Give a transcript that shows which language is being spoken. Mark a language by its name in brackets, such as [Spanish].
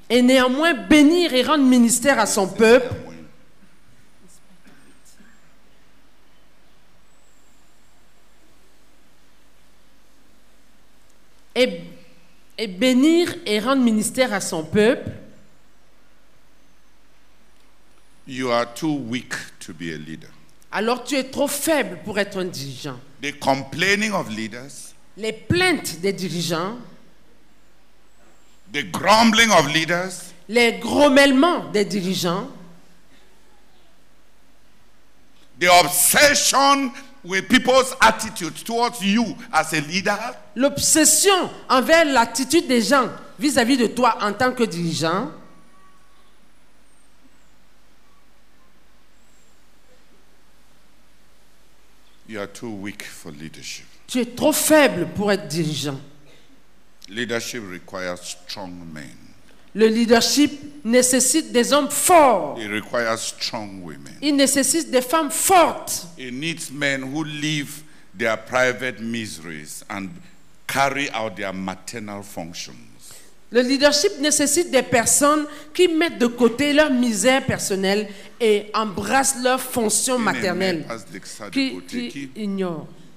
[French] Et néanmoins bénir et rendre ministère à son peuple. Et bénir et rendre ministère à son peuple. [English] You are too weak to be a leader. [French] Alors tu es trop faible pour être un dirigeant. [English] The complaining of leaders, [French] les plaintes des dirigeants, [English] the grumbling of leaders, [French] les grommellements des dirigeants, [English] the obsession with people's attitudes towards you as a leader, [French] l'obsession envers l'attitude des gens vis-à-vis de toi en tant que dirigeant. [English] You are too weak for leadership. [French] Tu es trop faible pour être dirigeant. [English] Leadership requires strong men. [French] Le leadership nécessite des hommes forts. [English] It requires strong women. [French] Il nécessite des femmes fortes. [English] It needs men who leave their private miseries and carry out their maternal functions. [French] Le leadership nécessite des personnes qui mettent de côté leur misère personnelle et embrasse leur fonction maternelle qui ignore.